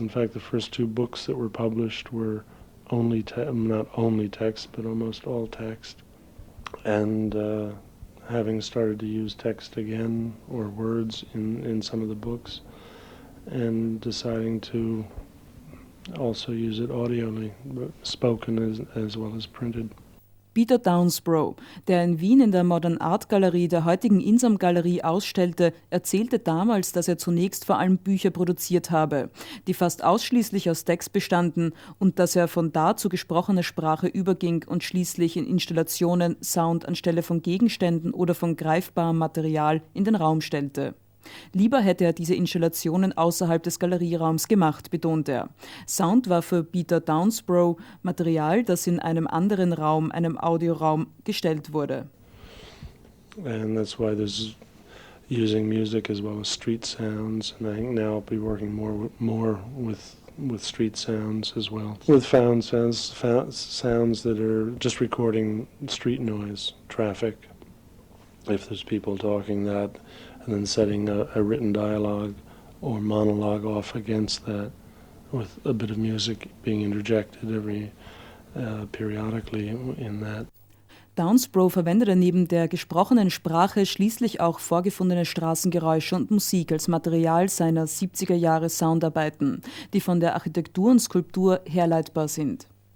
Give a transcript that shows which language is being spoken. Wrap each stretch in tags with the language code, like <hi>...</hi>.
<en>In fact, the first two books that were published were only not only text, but almost all text. And having started to use text again, or words in some of the books, and deciding to also use it audially, spoken as well as printed.</en> <de>Peter Downsbrough, der in Wien in der Modern Art Galerie, der heutigen Insam Galerie, ausstellte, erzählte damals, dass er zunächst vor allem Bücher produziert habe, die fast ausschließlich aus Text bestanden, und dass er von da zu gesprochener Sprache überging und schließlich in Installationen Sound anstelle von Gegenständen oder von greifbarem Material in den Raum stellte. Lieber hätte er diese Installationen außerhalb des Galerieraums gemacht, betont er. Sound war für Peter Downsbrough Material, das in einem anderen Raum, einem Audioraum, gestellt wurde.</de> <en>And that's why there's using music as well as street sounds, and I think now I'll be working more with street sounds as well. With found sounds that are just recording street noise, traffic. If there's people talking, that and then setting a written dialogue or monologue off against that, with a bit of music being interjected every periodically in that.</en> <de>Downsbrough verwendete neben der gesprochenen Sprache schließlich auch vorgefundene Straßengeräusche und Musik als Material seiner 70er-Jahre-Soundarbeiten, die von der Architektur und Skulptur herleitbar sind.</de>